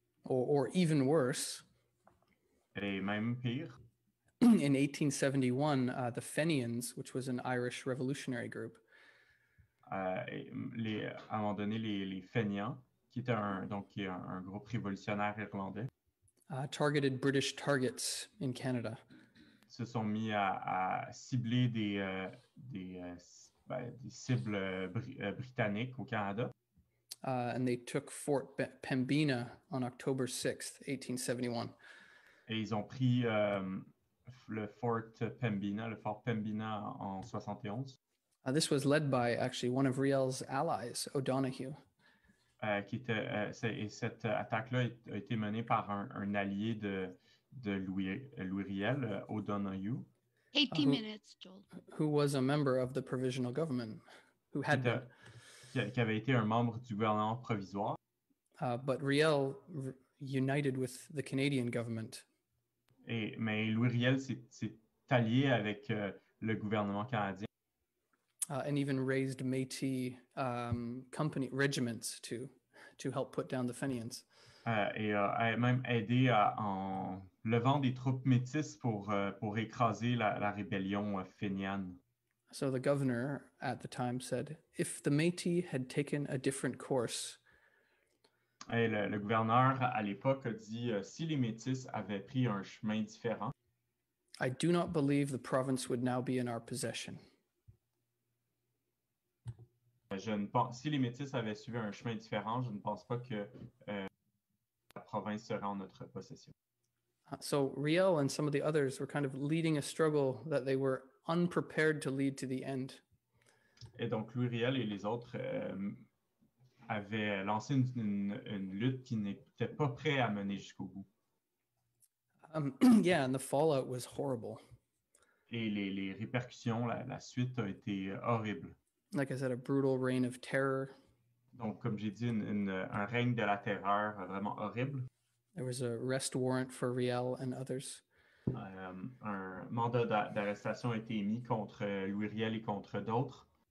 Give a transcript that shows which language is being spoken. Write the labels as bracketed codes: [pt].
[en] Or even worse. [fr] Et même pire. [en] In 1871, the Fenians, which was an Irish revolutionary group. [fr] À un moment donné, les Fenians, qui étaient un groupe révolutionnaire irlandais. [en] Targeted British targets in Canada. [fr] Se sont mis à cibler des cibles britanniques au Canada. [en] And they took Fort Pembina on October 6th, 1871. [fr] Et ils ont pris le Fort Pembina en 71. [en] This was led by actually one of Riel's allies, O'Donoghue. [fr] Cette attaque-là a été menée par un allié de Louis Riel, O'Donoghue. [en] 18 minutes, Joel. Who was a member of the provisional government, who had been. [fr] Qui avait été un membre du gouvernement provisoire. [en] But Riel united with the Canadian government. [fr] Mais Louis Riel s'est allié avec le gouvernement canadien. [en] And even raised Métis company regiments to help put down the Fenians. [fr] Même aidé en levant des troupes métisses pour écraser la rébellion fainéante. [en] So the governor at the time said, if the Métis had taken a different course. [fr] Et le gouverneur à l'époque a dit, si les Métis avaient pris un chemin différent. [en] I do not believe the province would now be in our possession. [fr] Si les Métis avaient suivi un chemin différent, je ne pense pas que la province serait en notre possession. [en] So Riel and some of the others were kind of leading a struggle that they were unprepared to lead to the end. [fr] Et donc Louis Riel et les autres avaient lancé une lutte qui n'était pas prêt à mener jusqu'au bout. [en] Yeah, and the fallout was horrible. [fr] Et les répercussions, la suite a été horrible. [en] Like I said, a brutal reign of terror. [fr] Donc, comme j'ai dit, un règne de la terreur vraiment horrible. [en] There was a arrest warrant for Riel and others. [fr] Un mandat d'arrestation a été émis contre Louis Riel et contre d'autres.